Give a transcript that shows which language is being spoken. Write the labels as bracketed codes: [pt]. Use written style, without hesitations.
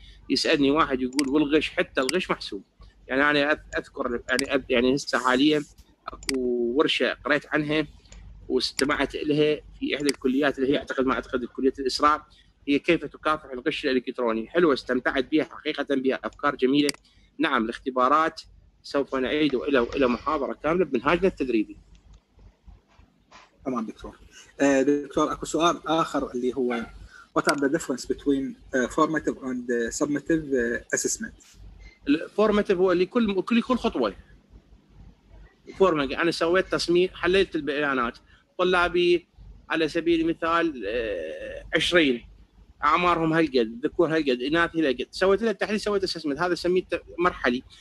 [ar] يسالني واحد يقول والغش حتى الغش محسوب يعني أنا أذكر يعني هسه حاليا أكو ورشة قريت عنها واستمعت لها في إحدى الكليات اللي هي أعتقد كلية الإسراء هي كيف تكافح الغش الإلكتروني حلوة استمتعت بها حقيقة بها أفكار جميلة. نعم الاختبارات سوف نعيد إلى محاضرة كاملة بمنهاجنا التدريبي. تمام دكتور. دكتور أكو سؤال آخر اللي هو [en] what are the difference between formative and summative assessment. [ar] الفورماتيف هو اللي كل خطوه فورمنج انا سويت تصميم حللت البيانات طلابي على سبيل المثال 20 اعمارهم هالقد ذكور هالقد اناث هالقد سويت له تحليل سويت اسسمنت هذا سميته مرحلي.